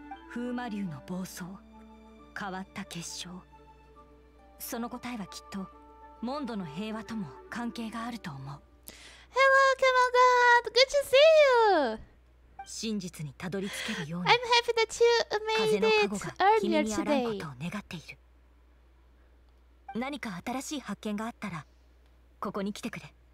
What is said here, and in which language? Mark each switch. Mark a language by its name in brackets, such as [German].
[Japanese] 風魔竜の暴走、変わった結晶。その答えはきっとモンドの平和とも関係があると思う。 [English] Hello, Kamo God. Good to see you. [Japanese] 真実にたどり着けるように。 [English] I'm happy that you made it earlier today. [Japanese] 君にあらんことを願っている。何か新しい発見があったら、ここに来てくれ。